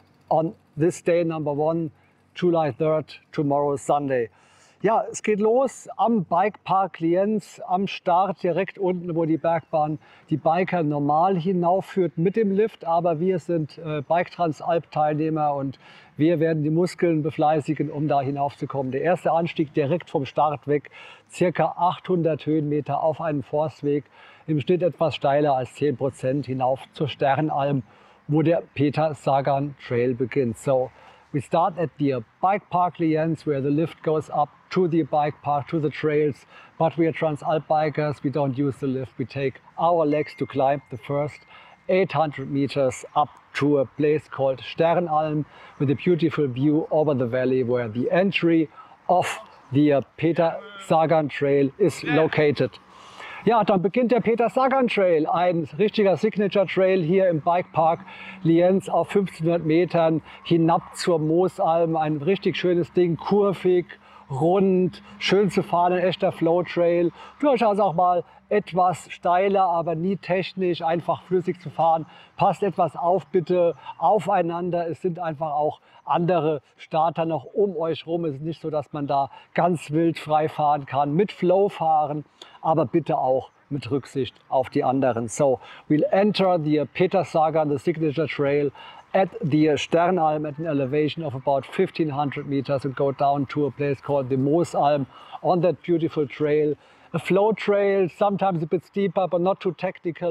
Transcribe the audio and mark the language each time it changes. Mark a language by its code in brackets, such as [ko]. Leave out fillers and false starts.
[en] On this day number one, July 3rd, tomorrow Sunday. [de] Ja, es geht los am Bikepark Lienz, am Start direkt unten, wo die Bergbahn die Biker normal hinaufführt mit dem Lift. Aber wir sind Bike Transalp Teilnehmer und wir werden die Muskeln befleißigen, um da hinaufzukommen. Der erste Anstieg direkt vom Start weg, circa 800 Höhenmeter auf einen Forstweg, im Schnitt etwas steiler als 10% hinauf zur Sternalm, wo der Peter Sagan Trail beginnt. [en] So, we start at the Bike Park Lienz, where the lift goes up to the bike park, to the trails. But we are Transalp bikers, we don't use the lift. We take our legs to climb the first 800 meters up to a place called Sternalm with a beautiful view over the valley where the entry of the Peter Sagan Trail is located. [de] Ja, dann beginnt der Peter Sagan Trail, ein richtiger Signature Trail hier im Bikepark Lienz auf 1500 Metern hinab zur Moosalm. Ein richtig schönes Ding, kurvig, rund, schön zu fahren, ein echter Flow Trail. Durchaus auch mal etwas steiler, aber nie technisch, einfach flüssig zu fahren. Passt etwas auf, bitte, aufeinander. Es sind einfach auch andere Starter noch um euch rum. Es ist nicht so, dass man da ganz wild frei fahren kann, mit Flow fahren, aber bitte auch mit Rücksicht auf die anderen. [en] So, we'll enter the Peter Sagan, the signature trail, at the Sternalm at an elevation of about 1500 meters and go down to a place called the Moosalm on that beautiful trail. A flow trail, sometimes a bit steeper, but not too technical.